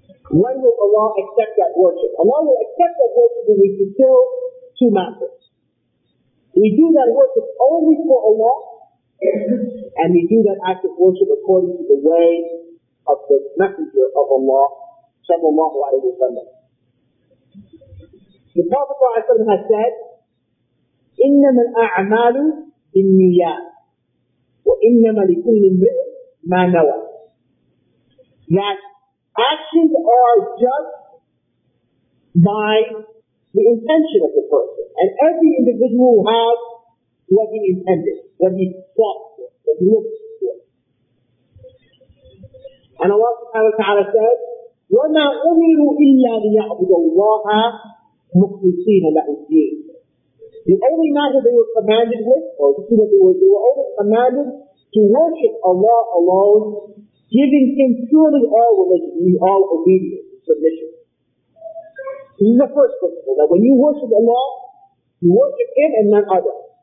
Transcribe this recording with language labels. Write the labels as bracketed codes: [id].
[en] When will Allah accept that worship? Allah will accept that worship when we fulfill two matters. We do that worship only for Allah, and we do that act of worship according to the way of the Messenger of Allah, sallallahu alayhi wa sallam. The Prophet ﷺ has said, [ar] إِنَّمَا الْأَعْمَالُ بِالنِّيَّاتِ وَإِنَّمَا لِكُلِّ مِّنْ مَا نَوَى. [en] That actions are just by the intention of the person. And every individual has what he intended, what he thought for, what he looked for. And Allah subhanahu wa ta'ala says, [ar] وَمَا أُمِرُوا إِلَّا لِيَعْبُدَ اللَّهَ مُخْلِصِينَ لَهُ الدِّينَ. [en] The only matter they were commanded with, or this is what they were only commanded to worship Allah alone, giving Him purely all religion, meaning all obedience and submission. This is the first principle, that when you worship Allah, you worship Him and none other.